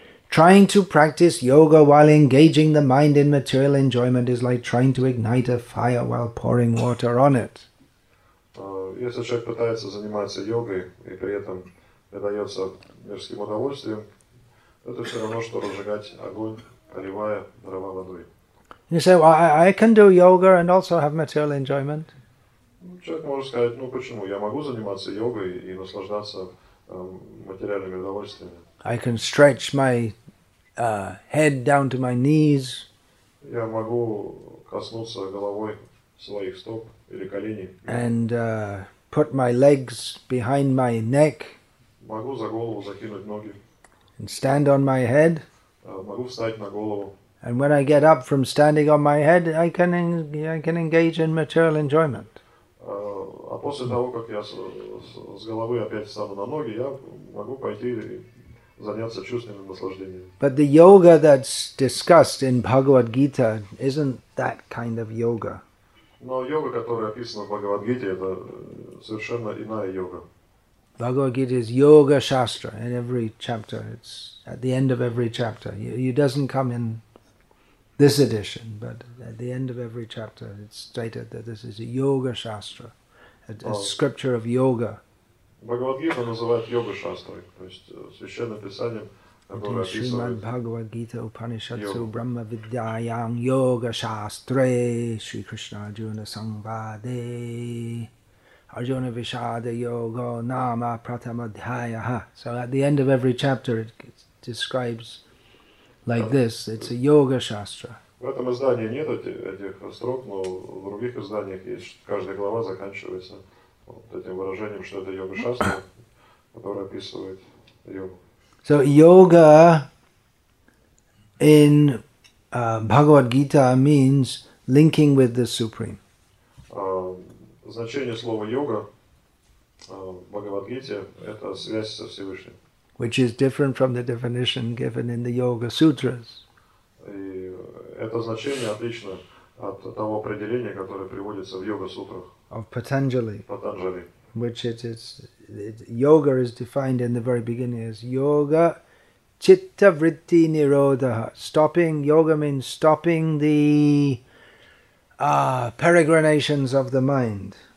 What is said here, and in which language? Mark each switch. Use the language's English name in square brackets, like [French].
[English] Trying to practice yoga while engaging the mind in material enjoyment is like trying to ignite a fire while pouring water on it. [Russian] Если человек пытается заниматься йогой и при этом предается мирским удовольствиям, это все равно, что разжигать огонь, поливая дрова водой. [English] You say, well, I can do yoga and also have material enjoyment. [Russian] Человек может сказать, ну почему, я могу заниматься йогой и наслаждаться материальными удовольствиями. [English] I can stretch my head down to my knees. [Russian] Я могу коснуться головой своих стоп или коленей. [English] And put my legs behind my neck. [Russian] Могу за голову закинуть ноги. [English] And stand on my head. [Russian] Могу встать на голову. [English] And when I get up from standing on my head, I can engage in material enjoyment. [Russian] А после того, как я с головы опять встану на ноги, я могу пойти заняться чувственным наслаждением. [English] But the yoga that's discussed in Bhagavad Gita isn't that kind of yoga. [Russian] Но йога, которая описана в Бхагавад Гите, это совершенно иная йога. [English] Bhagavad Gita is yoga shastra. In every chapter, it's at the end of every chapter. It doesn't come in this edition, but at the end of every chapter, it's stated that this is a yoga shastra, a scripture of yoga. [Russian] Bhagavad Gita называют йога шастрой, то есть священным писанием, которое описывает. [Sanskrit] Shrimad Bhagavad Gita Upanishadsu Brahma Vidyayam Yoga Shastre Shri Krishna Arjuna Sangvade Arjuna Vishada Yoga Nama Pratamadhyaya. [English] So at the end of every chapter, it describes. Like this, it's a yoga shastra. [Russian] В этом издании нет этих строк, но в других изданиях есть. Каждая глава заканчивается вот этим выражением, что это йога шастра, которая описывает йогу. [English] So yoga in Bhagavad Gita means linking with the supreme. [Russian] Значение слова йога в Bhagavad Gita – это связь со Всевышним. [English] Which is different from the definition given in the Yoga Sutras. [Russian] Это значение отлично от того определения, которое приводится в Йога Сутрах. [English] Of Patanjali. [Russian] Patanjali. [English] Which yoga is defined in the very beginning as [Sanskrit] yoga chitta vritti nirodha. [English] Stopping, yoga means stopping the peregrinations of the mind.